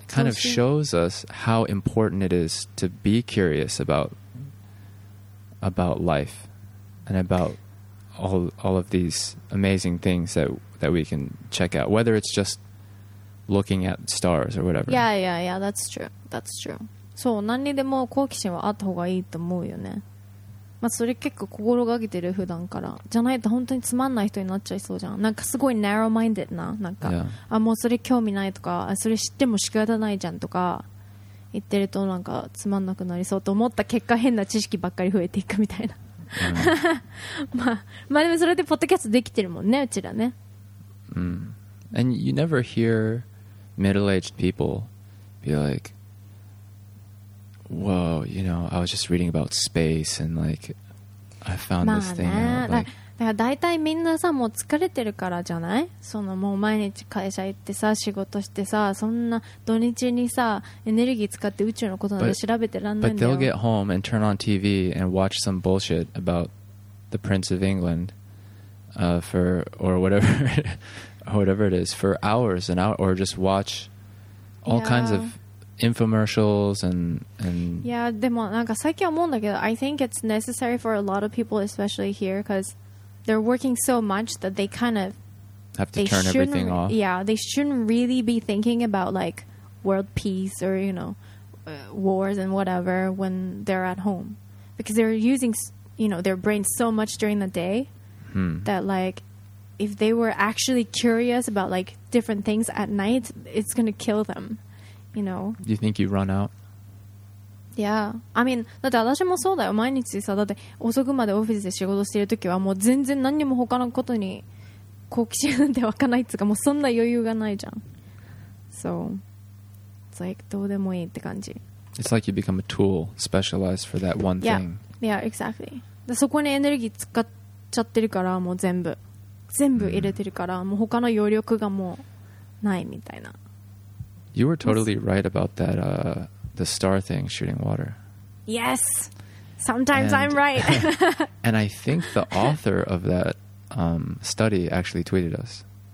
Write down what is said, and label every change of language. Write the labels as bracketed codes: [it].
[en] kind of shows us how important it is to be curious about life and about all of these amazing things that we can check out, whether it's just looking at stars or whatever. Yeah, yeah, yeah. That's true. [ja] そう、何にでも好奇心はあった方がいいと思うよね。まあ、それ結構心がけてる、普段から。じゃないと本当につまんない人になっちゃいそうじゃん。なんかすごい [en] narrow minded [ja] な、なんか、 yeah. あ、もうそれ興味ないとか、それ知っても仕方ないじゃんとか言ってると、なんかつまんなくなりそうと思った結果、変な知識ばっかり増えていくみたいな、まあでもそれでポッドキャストできてるもんね、うちらね。 [en] And you never hear middle-aged people be likeWhoa, you know, I was just reading about space and like I found this thing out. Like, [ja] だから大体みんなさもう疲れてるからじゃない？そのもう毎日会社行ってさ仕事してさそんな土日にさエネルギー使って宇宙のことなんて調べてらんないんだよ。 [en] But they'll get home and turn on TV and watch some bullshit about the Prince of England, for or whatever, whatever it is for hours and hours, or just watch all kinds of infomercials and yeah. [ja] でもなんか最近思うんだけど、 [en] I think it's necessary for a lot of people, especially here, because they're working so much that they kind of have to turn everything off. Yeah, they shouldn't really be thinking about like world peace or you know wars and whatever when they're at home, because they're using you know their brain so much during the day that like if they were actually curious about like different things at night, it's going to kill them. You know? Do you think you run out? Yeah. I mean, [ja] だって私もそうだよ。毎日さ、だって遅くまでオフィスで仕事してるときはもう全然何にも他のことに好奇心なんて湧かないっつうか、もうそんな余裕がないじゃん。 [en] So, it's like, [ja] どうでもいいって感じ。 [en] It's like you become a tool specialized for that one thing. Yeah, yeah, exactly. [ja] だそこにエネルギー使っちゃってるから、もう全部。全部入れてるから、もう他の余力がもうないみたいな。 [en] You were totally right about that, the star thing shooting water. Yes! Sometimes and, I'm right. And I think the author of that study actually tweeted us.